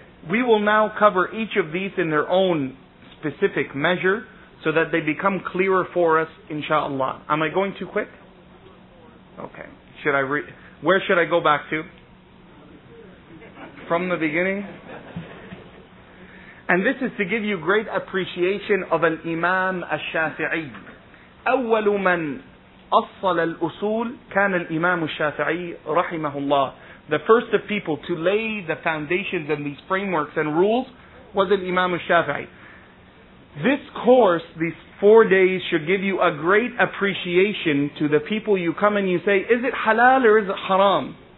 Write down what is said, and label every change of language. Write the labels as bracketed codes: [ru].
[en] We will now cover each of these in their own specific measure so that they become clearer for us, inshallah. Am I going too quick? Okay, where should I go back to? From the beginning? And this is to give you great appreciation of al-Imam al-Shafi'i. [ar] أول من أصل الأصول كان الإمام الشافعي رحمه الله. [en] The first of people to lay the foundations and these frameworks and rules was al-Imam al-Shafi'i. This course, these 4 days, should give you a great appreciation to the people you come and you say, is it halal or is it haram?